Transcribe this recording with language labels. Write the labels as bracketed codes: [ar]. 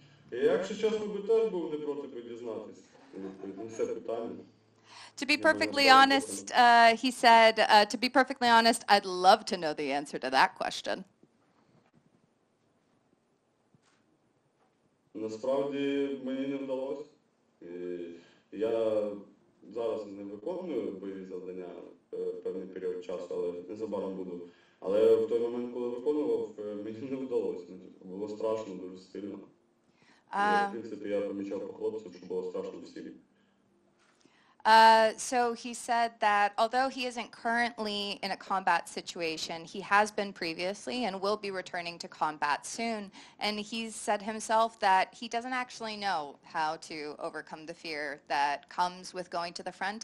[uk] Якщо чесно, ви теж був не проти підізнатися. Це питання. [en] To be perfectly honest, he said, to be perfectly honest, I'd love to know the answer to that question. [uk] Насправді мені не вдалося. Я зараз не виконую бойові завдання певний період часу, але незабаром буду. Але в той момент, коли виконував, мені не вдалося. Було страшно дуже сильно. В принципі, я помічав по хлопцям, що було страшно всім. [en] So he said that although he isn't currently in a combat situation, he has been previously and will be returning to combat soon. And he's said himself that he doesn't actually know how to overcome the fear that comes with going to the front.